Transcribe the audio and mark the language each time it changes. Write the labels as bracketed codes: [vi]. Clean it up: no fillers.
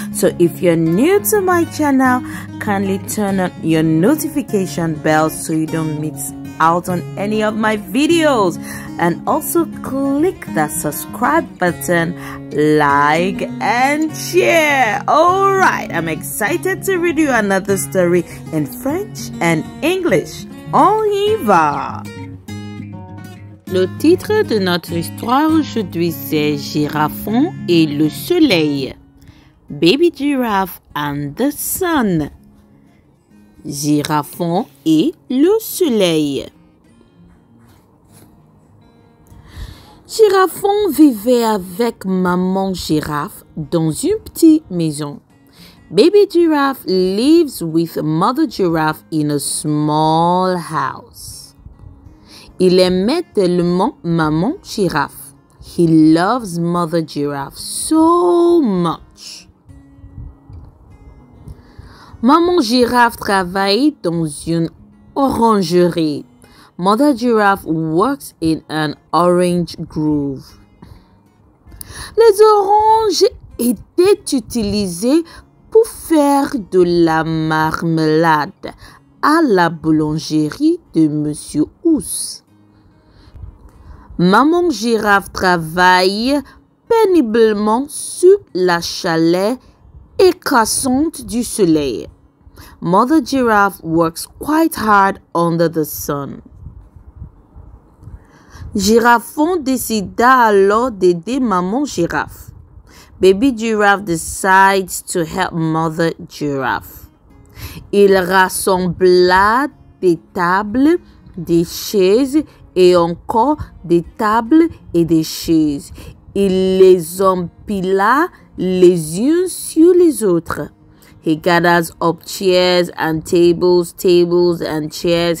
[en] So if you're new to my channel, kindly turn on your notification bell so you don't miss out on any of my videos. And also click that subscribe button, like and share. Alright, I'm excited to read you another story in French and English. [fr] On y va! Le titre de notre histoire aujourd'hui, c'est Girafon et le soleil. [en] Baby Giraffe and the Sun. [fr] Girafon et le soleil. Girafon vivait avec maman girafe dans une petite maison. [en] Baby Giraffe lives with mother giraffe in a small house. [fr] Il aimait tellement maman girafe. [en] He loves mother giraffe so much. [fr] Maman girafe travaille dans une orangerie. [en] Mother giraffe works in an orange grove. [fr] Les oranges étaient utilisées pour faire de la marmelade à la boulangerie de Monsieur Ousse. Maman girafe travaille péniblement sur la chaleur écrasante du soleil. [en] Mother giraffe works quite hard under the sun. [fr] Girafon décida alors d'aider maman girafe. [en] Baby giraffe decides to help mother giraffe. [fr] Il rassembla des tables, des chaises et encore des tables et des chaises. Il les empila les unes sur les autres. [en] He gathers up chairs and tables, tables and chairs.